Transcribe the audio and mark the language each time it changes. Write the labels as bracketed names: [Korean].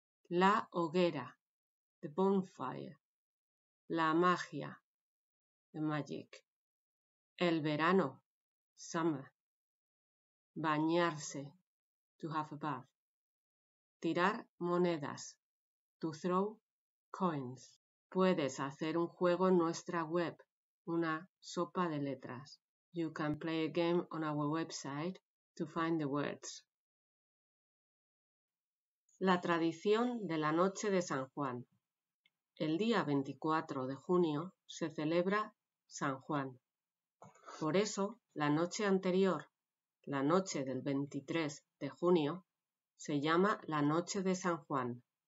[English] la hoguera, the bonfire, la magia, the magic, el verano, summer, bañarse, to have a bath, tirar monedas, to throw coins. [Spanish] Puedes hacer un juego en nuestra web, una sopa de letras. [English] You can play a game on our website to find the words. [Spanish] La tradición de la noche de San Juan. El día 24 de junio se celebra San Juan. Por eso, la noche anterior, la noche del 23 de junio, se llama la noche de San Juan.